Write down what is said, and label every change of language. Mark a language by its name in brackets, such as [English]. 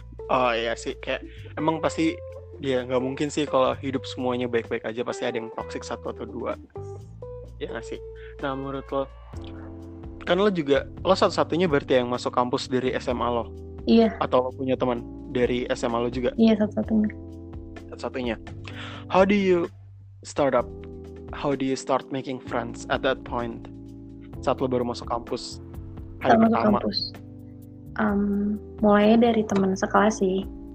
[Indonesian] Oh iya sih, kayak emang pasti ya nggak mungkin sih kalau hidup semuanya baik-baik aja pasti ada yang toxic satu atau dua, ya nggak sih. Nah menurut lo, kan lo juga lo satu-satunya berarti yang masuk kampus dari SMA lo? Iya. Atau lo punya teman dari SMA lo juga? Iya satu-satunya. [English] Satu-satunya. How do you start up? How do you start making friends at that point? [Indonesian] Saat lo baru masuk kampus hari masuk pertama. Kampus. Mulainya dari teman sekelas sih.